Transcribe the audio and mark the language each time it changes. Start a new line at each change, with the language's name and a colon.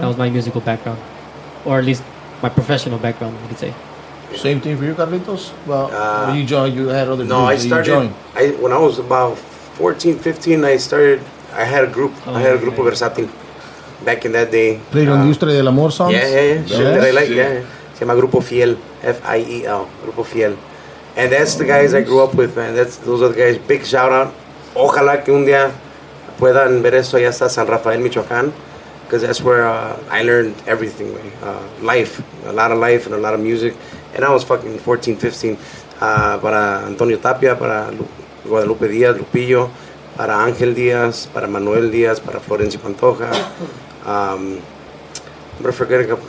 English: That was my musical background, or at least my professional background, you could say. Same thing for you, Carlitos? Well, you joined, you had other groups. No, I started, when I was about 14, 15, I had a group, of Versatil back in that day. Played Industria del Amor songs? Yeah.
Spanish: Se llama Grupo Fiel, F-I-E-L, Grupo Fiel.
English: And that's the guys I grew up with, man. Those are the guys, big shout out.
Spanish: Ojalá que un día puedan ver eso allá hasta San Rafael, Michoacán.
English: Because that's where I learned everything, life, a lot of life and a lot of music. And I was fucking 14, 15.
Spanish: Para Antonio Tapia, para Guadalupe Díaz, Lupillo, para Ángel Díaz, para Manuel Díaz, para Florencio Pantoja,
English: I'm forgetting.